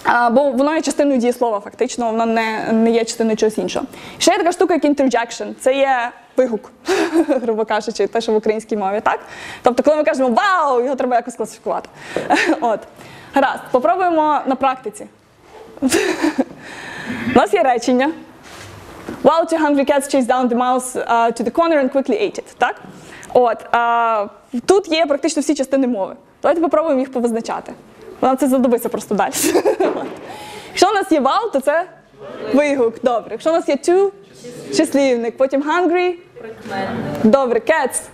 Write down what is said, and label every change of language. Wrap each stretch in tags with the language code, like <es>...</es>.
<uk>Бо воно є частиною дієслова, фактично, воно не є частиною чогось іншого. Ще є така штука, як interjection. Це є вигук, грубо кажучи, те, що в українській мові, так? Тобто, коли ми кажемо вау, його треба якось класифікувати. От. Гаразд, попробуємо на практиці. У нас є речення.</uk> <en>Well, two hungry cats chased down the mouse to the corner and quickly ate it.</en> <uk>Так? От, тут є практично всі частини мови. Давайте попробуємо їх повизначати. Нам це задобиться просто далі. Якщо у нас є well, то це вигук. Добре. Якщо у нас є two, числівник. Потім hungry. Прикметник. Добре. Cats.</uk>